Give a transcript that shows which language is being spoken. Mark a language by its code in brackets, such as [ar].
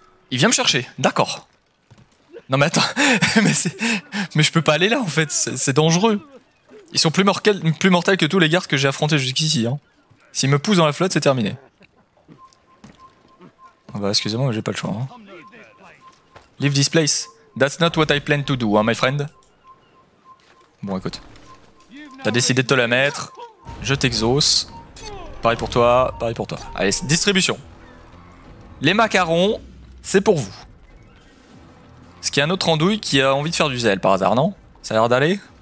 [fr] Il vient me chercher, d'accord. Non mais attends, mais je peux pas aller là en fait, c'est dangereux. Ils sont plus mortels que tous les gardes que j'ai affrontés jusqu'ici. Hein. S'ils me poussent dans la flotte, c'est terminé. Oh bah excusez-moi, j'ai pas le choix. Hein. [en] Leave this place. That's not what I plan to do, hein, my friend. [fr] Bon écoute. T'as décidé de te la mettre, je t'exauce. Pareil pour toi, pareil pour toi. Allez, distribution. Les macarons, c'est pour vous. Est-ce qu'il y a un autre andouille qui a envie de faire du zèle par hasard, non? Ça a l'air d'aller?